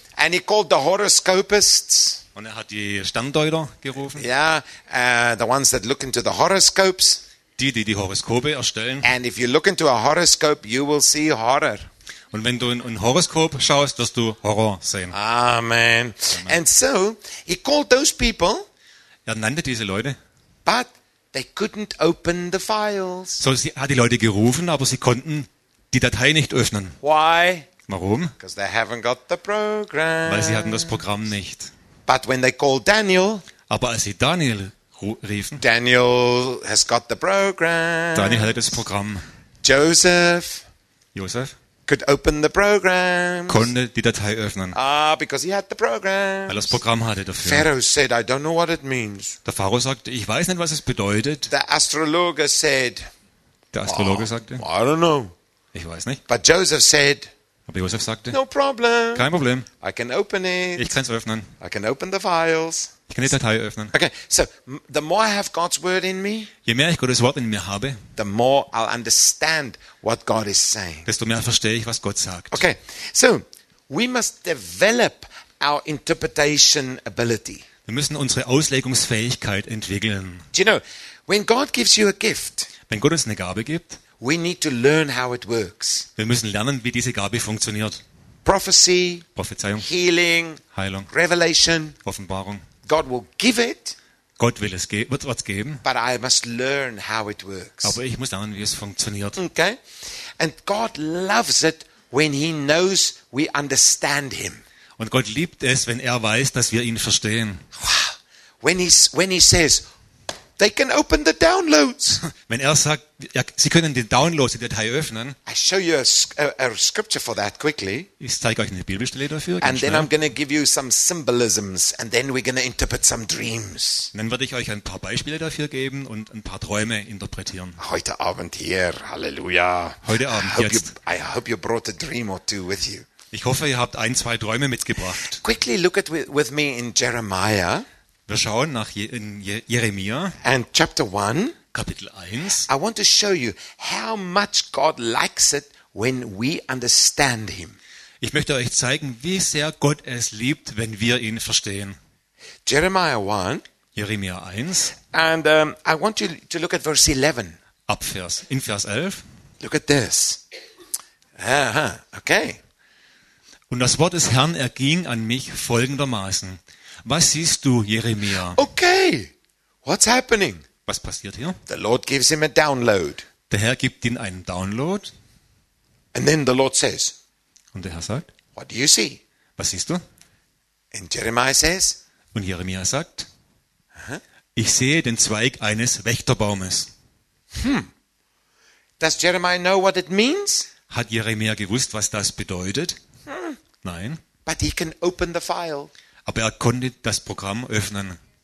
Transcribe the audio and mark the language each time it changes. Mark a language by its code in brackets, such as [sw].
[en] And he called the horoscopists. [de] Und er hat die Sterndeuter gerufen. [en] Yeah, the ones that look into the horoscopes. [de] Die Horoskope erstellen. [en] And if you look into a horoscope, you will see horror. [de] Und wenn du in ein Horoskop schaust, wirst du Horror sehen. [en] Amen. And so he called those people. [de] Er nannte diese Leute. [en] But they couldn't open the files. [de] So sie hat die Leute gerufen, aber sie konnten die Datei nicht öffnen. [en] Why? [de] Warum? [en] Because they haven't got the program. [de] Weil sie hatten das Programm nicht. [en] But when they called Daniel. [de] Aber als sie Daniel riefen. [en] Daniel has got the program. [de] Daniel hatte das Programm. [en] Joseph. [de] Josef. [en] Could open the programs. [de] Konnte die Datei öffnen. [en] Ah, because he had the programs. [de] Weil er das Programm hatte dafür. [en] Pharaoh said, I don't know what it means. [de] Der Pharao sagte, ich weiß nicht, was es bedeutet. [en] The astrologer said. [de] Der Astrologe sagte. [en] I don't know. [de] Ich weiß nicht. [en] But Joseph said. [de] Aber Josef sagte. [en] No problem. [de] Kein Problem. [en] I can open it. [de] Ich kann es öffnen. [en] I can open the files. [de] Ich kann die Datei öffnen. [en] Okay, so the more I have God's word in me, [de] je mehr ich Gottes Wort in mir habe, [en] the more I'll understand what God is saying. [de] Desto mehr verstehe ich, was Gott sagt. [en] Okay, so we must develop our interpretation ability. [de] Wir müssen unsere Auslegungsfähigkeit entwickeln. [en] Do you know, when God gives you a gift, [de] wenn Gott uns eine Gabe gibt, [en] we need to learn how it works. [de] Wir müssen lernen, wie diese Gabe funktioniert. [en] Prophecy, [de] Prophezeiung, [en] healing, [de] Heilung, [en] Revelation, [de] Offenbarung. [en] God will give it. [de] Gott will es geben, wird was geben. [en] But I must learn how it works. [de] Aber ich muss lernen, wie es funktioniert. [en] Okay. And God loves it when he knows we understand him. [de] Und Gott liebt es, wenn er weiß, dass wir ihn verstehen. [en] Wow. When he says, They can open the downloads. [de] Wenn er sagt, ja, sie können die Downloads, die Datei öffnen. [en] I show you a scripture for that quickly. [de] Ich zeige euch eine Bibelstelle dafür. [en] And then I'm going to give you some symbolisms, and then we're going to interpret some dreams. [de] Dann werde ich euch ein paar Beispiele dafür geben und ein paar Träume interpretieren. Heute Abend hier, Halleluja. Heute Abend jetzt. [en] I hope you brought a dream or two with you. [de] Ich hoffe, ihr habt ein, zwei Träume mitgebracht. [en] Quickly look at with me in Jeremiah. [de] Wir schauen nach Jeremia. [en] And chapter 1. [de] Kapitel 1. [en] I want to show you how much God likes it when we understand him. [de] Ich möchte euch zeigen, wie sehr Gott es liebt, wenn wir ihn verstehen. [en] Jeremiah 1. [de] Jeremia 1. [en] And I want you to look at verse 11. [de] Vers 11. [en] Look at this. Okay. [de] Und das Wort des Herrn erging an mich folgendermaßen. Was siehst du, Jeremia? [en] Okay, what's happening? [de] Was passiert hier? [en] The Lord gives him a download. [de] Der Herr gibt ihm einen Download. [en] And then the Lord says. [de] Und der Herr sagt. [en] What do you see? [de] Was siehst du? [en] And Jeremiah says. [de] Und Jeremia sagt. Ich sehe den Zweig eines Wächterbaumes. [en] Does Jeremiah know what it means? [de] Hat Jeremia gewusst, was das bedeutet? Nein. [en] But he can open the file. [de] Aber er konnte das Programm öffnen.